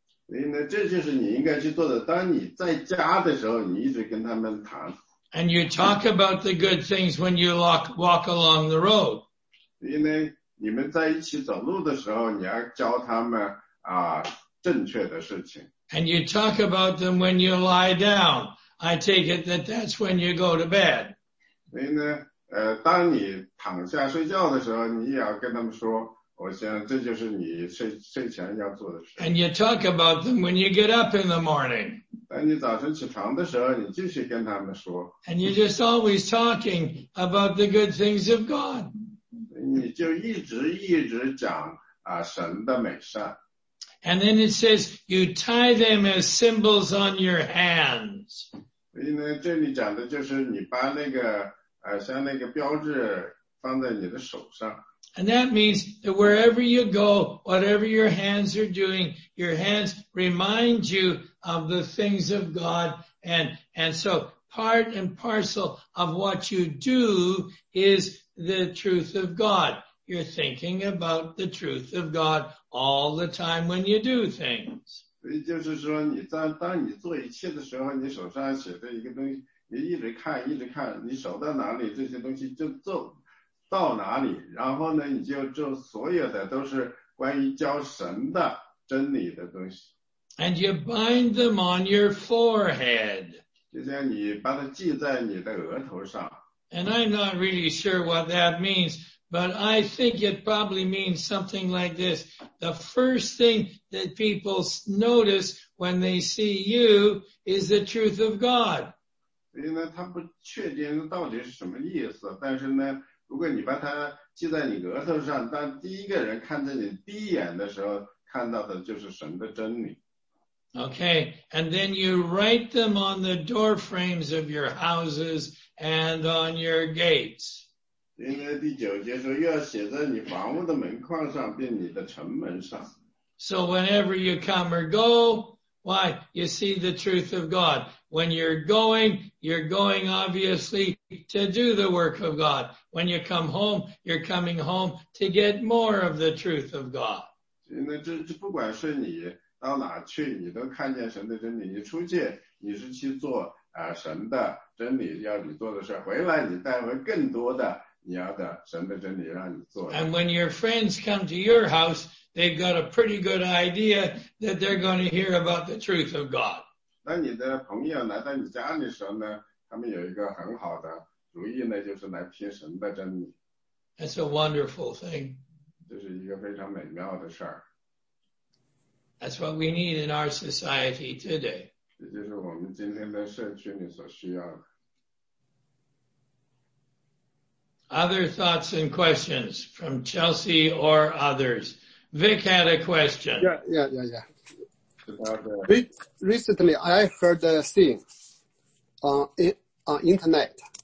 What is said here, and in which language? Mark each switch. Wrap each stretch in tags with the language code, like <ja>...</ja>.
<zh>所以呢，这就是你应该去做的。当你在家的时候，你一直跟他们谈。</zh> <en>And you talk about the good things when you walk along the road.</en> <zh>所以呢，你们在一起走路的时候，你要教他们啊正确的事情。</zh> <en>And you talk about them when you lie down. I take it that that's when you go to bed.</en> <zh>所以呢，当你躺下睡觉的时候，你也要跟他们说。我想这就是你睡前要做的事。</zh> <en>And you talk about them when you get up in the morning.</en> <zh>当你早晨起床的时候，你继续跟他们说。</zh> <en>And you're just always talking about the good things of God.</en> <zh>你就一直讲啊神的美善。</zh> <en>And then it says you tie them as symbols on your hands.</en> <zh>所以呢，这里讲的就是你把那个像那个标志放在你的手上。</zh> <en>And that means that wherever you go, whatever your hands are doing, your hands remind you of the things of God. And so part and parcel of what you do is the truth of God. You're thinking about the truth of God all the time when you do things.</en> <zh>所以就是说你在当你做一切的时候，你手上写的一个东西，你一直看，你手到哪里，这些东西就做。到哪里，然后呢，你就做所有的都是关于教神的真理的东西。</zh> <en>And you bind them on your forehead.</en> <zh>就像你把它记在你的额头上。</zh> <en>And I'm not really sure what that means, but I think it probably means something like this. The first thing that people notice when they see you is the truth of God.</en> <zh>所以呢，他不确定到底是什么意思，但是呢，如果你把它记在你额头上，当第一个人看着你第一眼的时候，看到的就是神的真理。</zh> <en>Okay, and then you write them on the door frames of your houses and on your gates.</en> <zh>因为第九节说又要写在你房屋的门框上，并你的城门上。</zh> <en>So whenever you come or go, why, you see the truth of God. When you're going obviously to do the work of God. When you come home, you're coming home to get more of the truth of God.</en> <zh>那这不管是你到哪去，你都看见神的真理。你出去，你是去做神的真理要你做的事，回来你带回更多的你要的神的真理让你做。</zh> <en>And when your friends come to your house, they've got a pretty good idea that they're going to hear about the truth of God.</en> <zh>当你的朋友来到你家的时候呢，他们有一个很好的主意呢，就是来听神的真理。</zh> <en>That's a wonderful thing.</en> <zh>这是一个非常美妙的事儿。</zh> <en>That's what we need in our society today.</en> <zh>这就是我们今天的社区里所需要的。</zh> <en>Other thoughts and questions from Chelsea or others? Vic had a question. Yeah. Recently, I heard a thing on internet.</en>